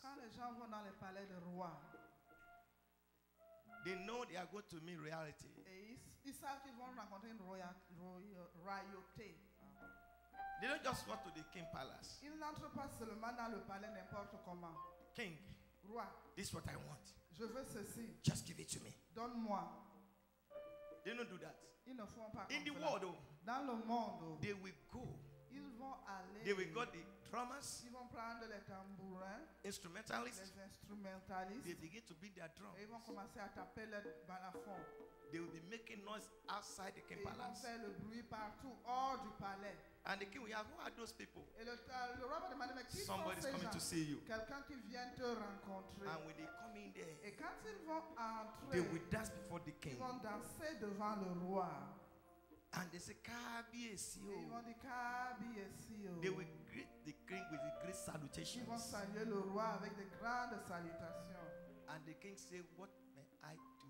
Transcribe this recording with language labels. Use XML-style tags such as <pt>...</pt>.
<fr>quand les gens vont dans les palais de roi,</fr> <en>they know they are going to meet reality.</en> <fr>Ils savent qu'ils vont rencontrer une royauté.</fr> <en>They don't just go to the king palace.</en> <fr>Ils n'entrent pas seulement dans le palais n'importe comment.</fr> <en>King.</en> <fr>Roi.</fr> <en>This is what I want.</en> <fr>Je veux ceci.</fr> <en>Just give it to me.</en> <fr>Donne-moi.</fr> <en>They don't do that.</en> <fr>Ils ne font pas.</fr> <en>In the world, though.</en> <fr>Dans le monde.</fr> <en>They will go.</en> <fr>Ils vont aller.</fr> <en>They will go the drummers.</en> <fr>Ils vont prendre les tambourins.</fr> <en>Instrumentalists.</en> <fr>Les instrumentalistes.</fr> <en>They begin to beat their drums.</en> <fr>Ils vont commencer à taper leur balafon.</fr> <en>They will be making noise outside the king palace.</en> <fr>Ils vont faire le bruit partout hors du palais.</fr> <en>And the king will ask, who are those people?</en> <fr>Et le roi va demander, mais qui sont ces gens?</fr> <en>Somebody's coming to see you.</en> <fr>Quelqu'un qui vient te rencontrer.</fr> <en>And when they come in there,</en> <fr>et quand ils vont entrer,</fr> <en>they will dance before the king.</en> <fr>Ils vont danser devant le roi.</fr> <en>And they say, Kabi Esio.</en> <fr>Ils vont dire, Kabi Esio.</fr> <en>They will greet the king with a great salutation.</en> <fr>Ils vont saluer le roi avec de grandes salutations.</fr> <en>And the king say, what may I do?</en>